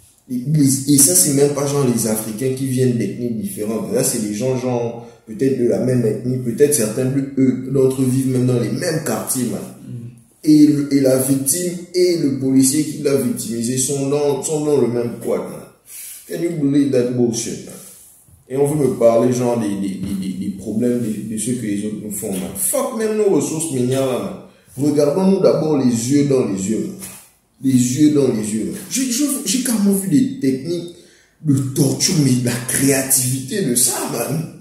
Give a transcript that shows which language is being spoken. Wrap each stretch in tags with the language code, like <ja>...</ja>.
<fr>Et ça, c'est même pas genre les Africains qui viennent d'ethnies différentes. Là, c'est les gens, genre, peut-être de la même ethnie, peut-être certains eux, d'entre eux vivent même dans les mêmes quartiers, man. Et la victime et le policier qui l'a victimisé sont dans le même quad, man.</fr> <en>Can you believe that bullshit, man?</en> <fr>Et on veut me parler, genre, des problèmes de ceux que les autres nous font, man. Fuck même nos ressources minières, man. Regardons-nous d'abord les yeux dans les yeux, man. Les yeux dans les yeux. J'ai carrément vu des techniques de torture, mais de la créativité de ça, man.</fr>